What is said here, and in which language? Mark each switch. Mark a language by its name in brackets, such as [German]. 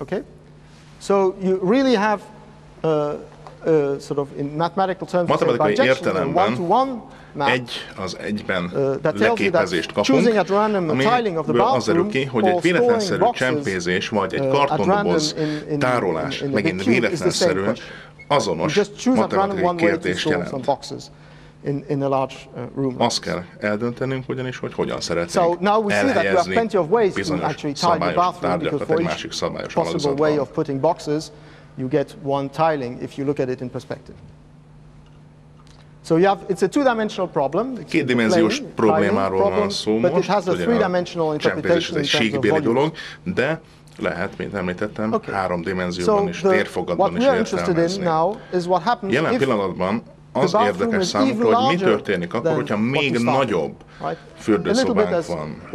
[English] Okay, so you really have sort of in mathematical terms, [Hungarian] matematikai értelemben egy az egyben leképezést kapunk, ami az derül ki, hogy egy véletlenszerű csempézés vagy egy kartondoboz tárolás, megint véletlenszerűen azonos matematikai kérdést jelent. [English] In a large room. [Hungarian] Azt kell eldöntenünk ugyanis, hogy hogyan szeretnénk elhelyezni bizonyos szabályos tárgyakat egy másik szabályos alakzatban. [English] Way of putting boxes, you get one tiling if you look at it in perspective. So you have, it's a two-dimensional problem. [Hungarian] Kétdimenziós problémáról van szó most, [English] but it has a three-dimensional interpretation in terms of volume. [Hungarian] De lehet, mint említettem, három dimenzióban is, térfogatban is értelmezni. Jelen pillanatban az érdekes számunkra, hogy mi történik akkor, hogyha még nagyobb fürdőszobánk van.